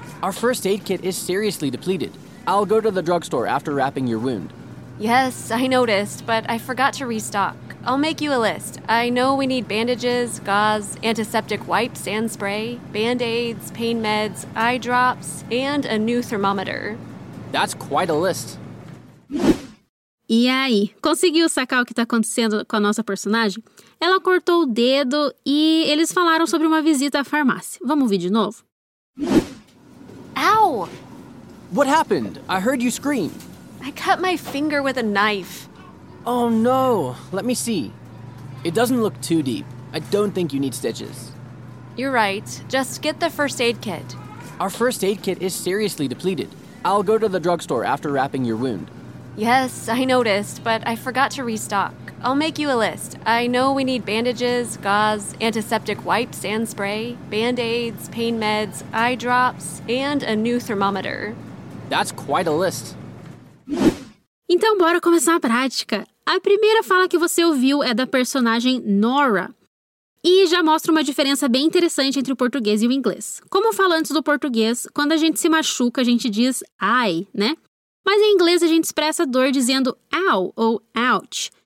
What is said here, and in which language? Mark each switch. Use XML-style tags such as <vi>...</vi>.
<en>Our first aid kit is seriously depleted. I'll go to the drugstore after wrapping your wound. Yes, I noticed, but I forgot to restock. I'll make you a list. I know we need bandages, gauze, antiseptic wipes and spray, band-aids, pain meds, eye drops, and a new thermometer. That's quite a list.</en> <pt>E aí, conseguiu sacar o que está acontecendo com a nossa personagem? Ela cortou o dedo e eles falaram sobre uma visita à farmácia. Vamos ouvir de novo?</pt> <en>Ow! What happened? I heard you scream. I cut my finger with a knife. Oh no, let me see. It doesn't look too deep. I don't think you need stitches. You're right. Just get the first aid kit. Our first aid kit is seriously depleted. I'll go to the drugstore after wrapping your wound. Yes, I noticed, but I forgot to restock. I'll make you a list. I know we need bandages, gauze, antiseptic wipes and spray, band-aids, pain meds, eye drops, and a new thermometer. That's quite a list.</en> <pt>Então, bora começar a prática. A primeira fala que você ouviu é da personagem Nora. E já mostra uma diferença bem interessante entre o português e o inglês. Como falantes do português, quando a gente se machuca, a gente diz ai, né? Mas em inglês a gente expressa dor dizendo ow ou ouch.</pt>